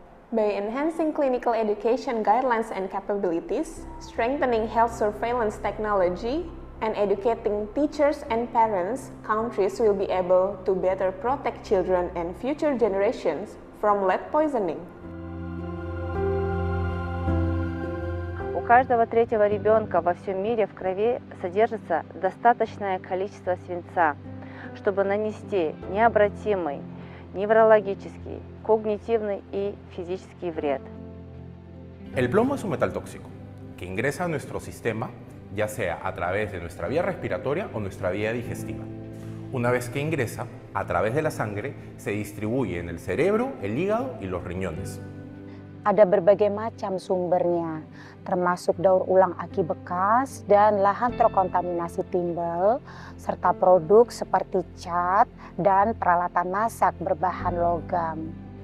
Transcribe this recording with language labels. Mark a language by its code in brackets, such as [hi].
[en] By enhancing clinical education guidelines and capabilities, strengthening health surveillance technology, and educating teachers and parents, countries will be able to better protect children and future generations from lead poisoning. [ru] У каждого третьего ребенка во всем мире в крови содержится достаточное количество свинца, чтобы нанести необратимый неврологический, когнитивный и физический вред. [es] El plomo es un metal tóxico que ingresa a nuestro sistema, ya sea a través de nuestra vía respiratoria o nuestra vía digestiva. Una vez que ingresa, a través de la sangre, se distribuye en el cerebro, el hígado y los riñones. [id] Ada berbagai macam sumbernya, termasuk daur ulang aki bekas dan lahan terkontaminasi timbel, serta produk seperti cat dan peralatan masak berbahan logam.